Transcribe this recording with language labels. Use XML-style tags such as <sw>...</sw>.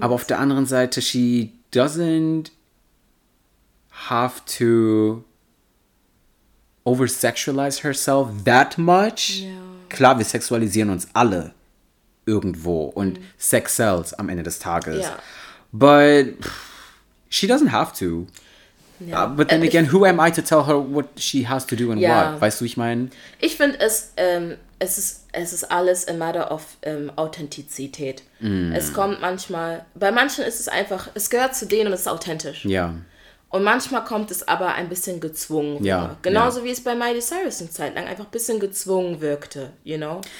<en>Aber auf der anderen Seite, she doesn't have to over-sexualize herself that much.</en> <de>Ja. Klar, wir sexualisieren uns alle. Irgendwo und Sex sells am Ende des Tages.</de> <en>Yeah. But she doesn't have to. Yeah. But then again, who am I to tell her what she has to do and what?</en> <de>Weißt du, wie ich meine? Ich finde es, es ist alles a matter of Authentizität. Mm. Es kommt manchmal, bei manchen ist es einfach, es gehört zu denen und es ist authentisch. Ja. Yeah. Und manchmal kommt es aber ein bisschen gezwungen. Ja. Genauso wie es bei Miley Cyrus eine Zeit lang einfach ein bisschen gezwungen wirkte, you know?</de>